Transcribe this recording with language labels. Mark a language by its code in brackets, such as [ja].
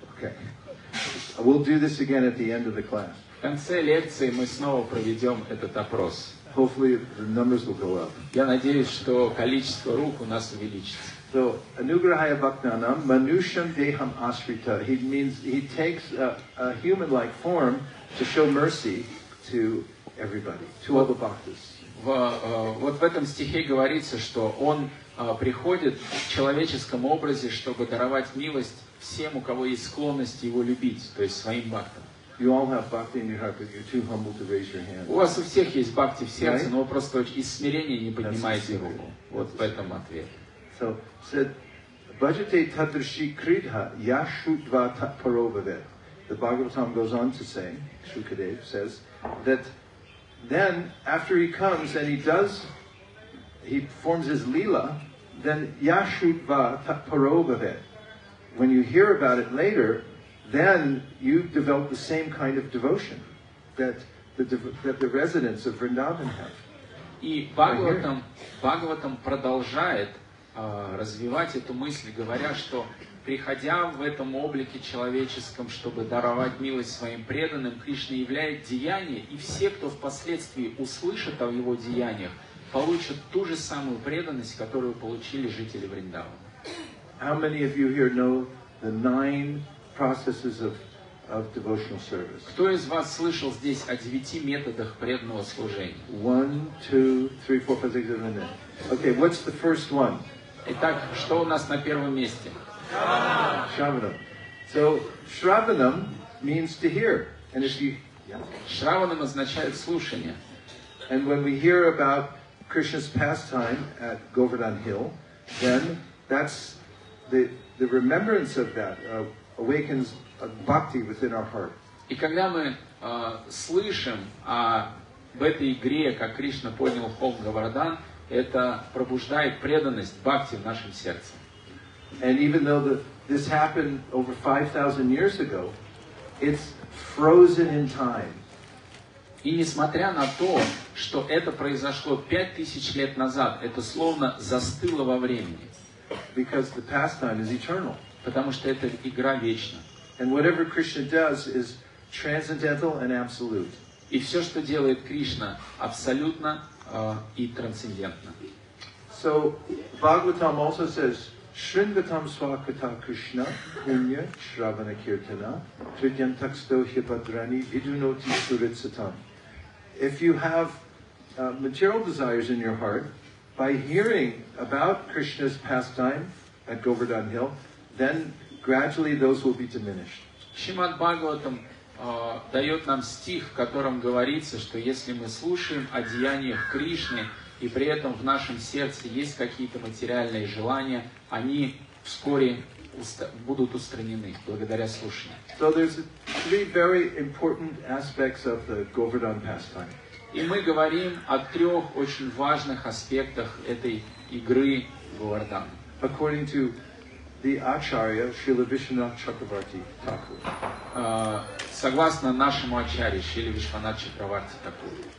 [en] Okay. We'll do this again at the end of the class. [ru] В конце лекции мы снова проведем этот опрос. [en] Hopefully the numbers will go up. [ru] Я надеюсь, что количество рук у нас увеличится. [sa] So anugrahaya bhaktanam manushyam deham ashrita. [en] He means he takes a human-like form to show mercy to everybody, to all the bhaktas. [ru] Вот в этом стихе говорится, что он приходит в человеческом образе, чтобы даровать милость всем, у кого есть склонность его любить, то есть своим бхактам. [en] You all have bhakti in your heart, but you're too humble to raise your hand. [ru] У вас у всех есть бхакти в сердце, [en] right? [ru] Но вы просто из смирения не поднимаете руку. Вот в этом ответ. [en] So said, [sa] "Bhajate tadrishi kridha yashudva tatparobhavet." [en] The Bhagavatam goes on to say, Shukadev says, that then after he comes and he performs his lila, then [sa] yashudva tatparobhavet. [en] When you hear about it later, then you develop the same kind of devotion that the residents of Vrindavan have. [ru] И Бхагаватам продолжает развивать эту мысль, говоря, что приходя в этом облике человеческом, чтобы даровать милость своим преданным, Кришна являет деяние, и все, кто впоследствии услышит о его деяниях, получат ту же самую преданность, которую получили жители Вриндавана. [en] How many of you here know the 9 processes of devotional service? [ru] Кто из вас слышал здесь о 9 методах преданного служения? [en] 1, 2, 3, 4, 5, 6, 7, 8. Okay, what's the first one? [ru] Итак, что у нас на первом месте? [en] Shravanam. So, shravanam means to hear. And if you... [ru] Shravanam означает слушание. [en] And when we hear about Krishna's pastime at Govardhan Hill, then that's the remembrance of that awakens a bhakti within our heart. [ru] И когда мы слышим об этой игре, как Кришна поднял холм Говардан, это пробуждает преданность бхакти в нашем сердце. [en] And even though this happened over 5,000 years ago, it's frozen in time. [ru] И несмотря на то, что это произошло 5,000 лет назад, это словно застыло во времени. [en] because the pastime is eternal. [ru] Потому что это игра вечна. [en] And whatever Krishna does is transcendental and absolute. [ru] И все, что делает Кришна, абсолютно и трансцендентно. [en] So Bhagavatam also says, [sa] Shringatam Swakata Krishna, Punya, Shravana Kirtana, Tridyantakstohya Bhadrani, Vidunoti Suritsatam. [en] If you have material desires in your heart, by hearing about Krishna's pastime at Govardhan Hill, then gradually those will be diminished. [ru] Shrimad Bhagavatam дает нам стих, в котором говорится, что если мы слушаем о деяниях Кришны, и при этом в нашем сердце есть какие-то материальные желания, они вскоре будут устранены благодаря слушанию. [en] So there's three very important aspects of the Govardhan pastime. [ru] И мы говорим о трех очень важных аспектах этой игры Говардхан. [en] According to the Acharya Srila Vishwanath Chakravarti Thakur. [ru] Согласно нашему Ачарье Шриле Вишванат Чакраварти Такур.